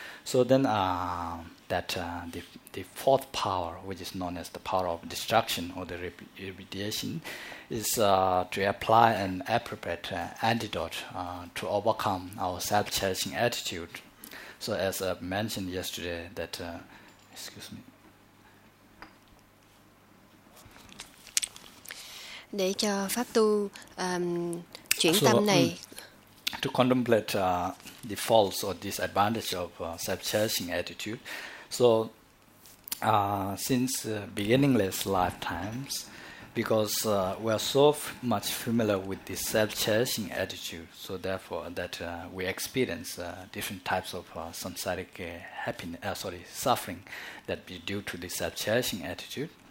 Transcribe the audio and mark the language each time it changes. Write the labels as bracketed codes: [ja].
[en] So then the fourth power, which is known as the power of destruction or the repudiation, is to apply an appropriate antidote to overcome our self-cherishing attitude. So as I mentioned yesterday that, excuse me. [vi] Để cho pháp tu chuyển tâm này. [en] To contemplate the faults or disadvantage of self-cherishing attitude, so since beginningless lifetimes, because we are so much familiar with the self-cherishing attitude, so therefore that we experience different types of samsaric happiness, suffering that be due to the self-cherishing attitude.